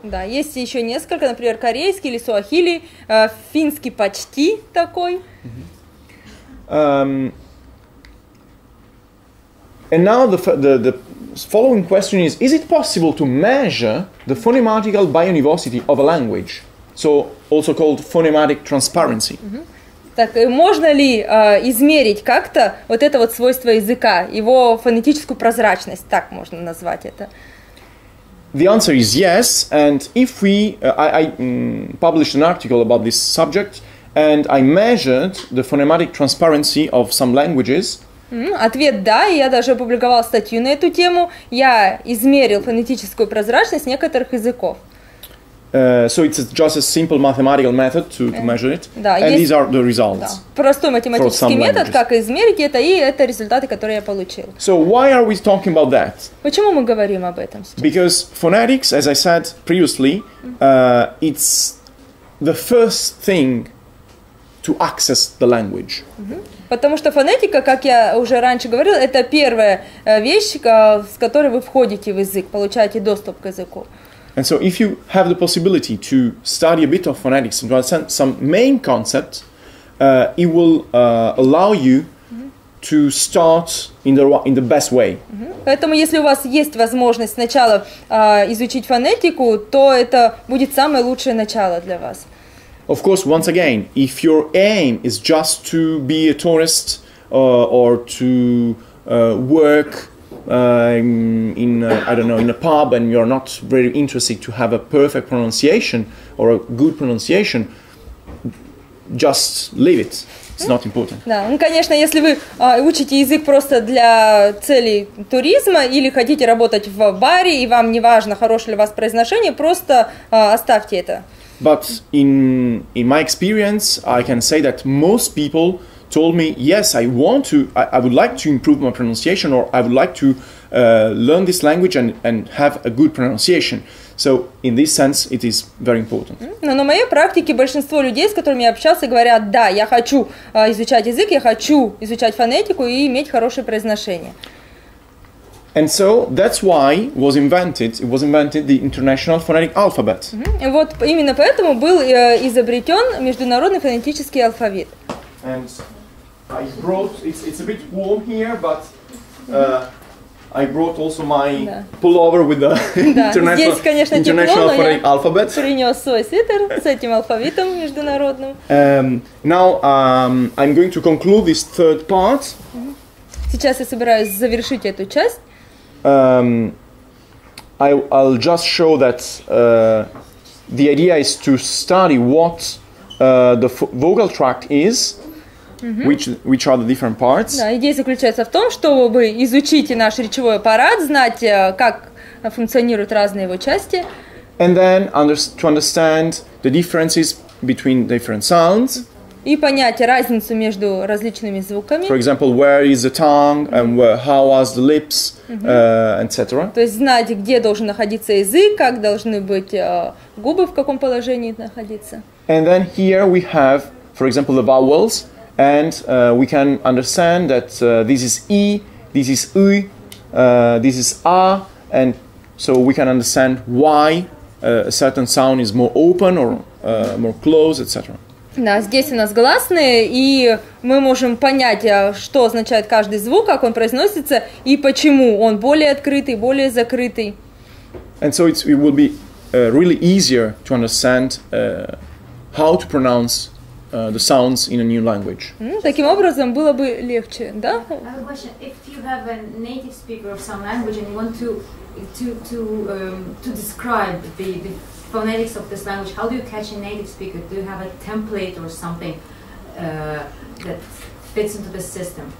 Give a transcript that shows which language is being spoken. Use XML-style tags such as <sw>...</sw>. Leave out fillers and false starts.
<ru>Да, есть еще несколько, например, корейский или суахили, финский почти такой.</ru> <en>And now the following question is it possible to measure the phonematical biunivocity of a language? So also called phonematic transparency.</en> <ru>Так можно ли измерить как-то вот это вот свойство языка, его фонетическую прозрачность, так можно назвать это?</ru> <en>The answer is yes, and if we published an article about this subject and I measured the phonematic transparency of some languages.</en> <ru>Ответ да, и я даже опубликовал статью на эту тему. Я измерил фонетическую прозрачность некоторых языков.</ru> <en>So it's just a simple mathematical method to measure it.</en> <ru>Да,</ru> <en>and these are the results.</en> <ru>Да. Простой математический метод, как измерить это, и это результаты, которые я получил.</ru> <en>So why are we talking about that?</en> <ru>Почему мы говорим об этом сейчас?</ru> <en>Because phonetics, as I said previously, it's the first thing to access the language.</en> <ru>Потому что фонетика, как я уже раньше говорил, это первая вещь, с которой вы входите в язык, получаете доступ к языку.</ru> <en>And so if you have the possibility to study a bit of phonetics and to understand some main concepts, it will allow you to start in the best way.</en> <ru>Поэтому если у вас есть возможность сначала изучить фонетику, то это будет самое лучшее начало для вас.</ru> <en>Of course, once again, if your aim is just to be a tourist or to work in a pub and you're not very interested to have a perfect pronunciation or a good pronunciation, just leave it. It's not important.</en> <ru>Да, ну, конечно, если вы учите язык просто для целей туризма или хотите работать в баре, и вам не важно, хорошее ли у вас произношение, просто оставьте это.</ru> <en>But in my experience, I can say that most people told me, yes, I would like to improve my pronunciation, or I would like to learn this language and have a good pronunciation. So in this sense, it is very important.</en> <ru>Но на моей практике большинство людей, с которыми я общался, говорят, да, я хочу изучать язык, я хочу изучать фонетику и иметь хорошее произношение.</ru> <en>And so that's why it was invented the International Phonetic Alphabet.</en> <ru>И вот именно поэтому был изобретен международный фонетический алфавит.</ru> <en>And I brought it's a bit warm here, but I brought also my pullover with the International Phonetic Alphabet.</en> <ru>Принес свой свитер с этим алфавитом международным.</ru> <en>I'm going to conclude this third part.</en> <ru>Сейчас я собираюсь завершить эту часть.</ru> <en>I'll just show that the idea is to study what the vocal tract is, which are the different parts.</en> <ru>Да, идея заключается в том, чтобы изучить наш речевой аппарат, знать, как функционируют разные его части.</ru> <en>And then to understand the differences between different sounds.</en> <ru>И понять разницу между различными звуками.</ru> <en>For example, where is the tongue and where, how was the lips, etc.</en> <ru>То есть знать, где должен находиться язык, как должны быть губы, в каком положении находиться.</ru> <en>And then here we have, for example, the vowels, and we can understand that this is e, this is ü, this is a, and so we can understand why a certain sound is more open or more closed, etc.</en> <ru>Да, здесь у нас гласные, и мы можем понять, что означает каждый звук, как он произносится, и почему он более открытый, более закрытый.</ru> <en>And so it will be really easier to understand how to pronounce the sounds in a new language.</en> <ru>Таким образом было бы легче, да?</ru> <en>I have a question. If you have a native speaker of some language and you want to describe the phonetics of this language, how do you catch a native speaker? Do you have a template or something that fits into the system?</en>